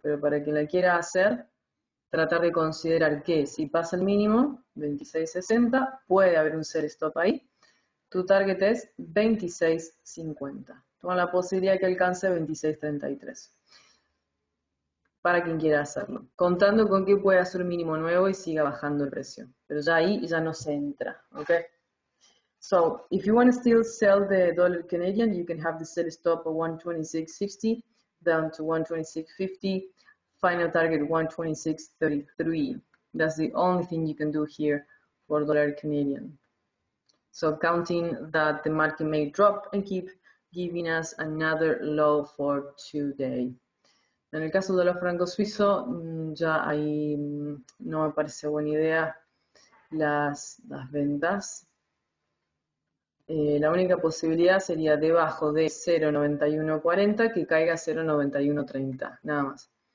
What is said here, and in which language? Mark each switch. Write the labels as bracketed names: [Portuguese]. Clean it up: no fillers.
[Spanish] Pero para quien la quiera hacer, tratar de considerar que si pasa el mínimo, 26.60, puede haber un sell stop ahí. Tu target es 26.50. Toma la posibilidad que alcance 26.33. Para quien quiera hacerlo. Contando con que pueda hacer un mínimo nuevo y siga bajando el precio. Pero ya ahí ya no se entra, ¿ok? [English] So, if you want to still sell the dollar Canadian, you can have the sell stop at 126.60, down to 126.50, final target 126.33. That's the only thing you can do here for dollar Canadian. So, counting that the market may drop and keep giving us another low for today. [Spanish] En el caso del dólar franco suizo, ya ahí no me parece buena idea las ventas. La única posibilidad sería debajo de 0.9140 que caiga 0.9130, nada más.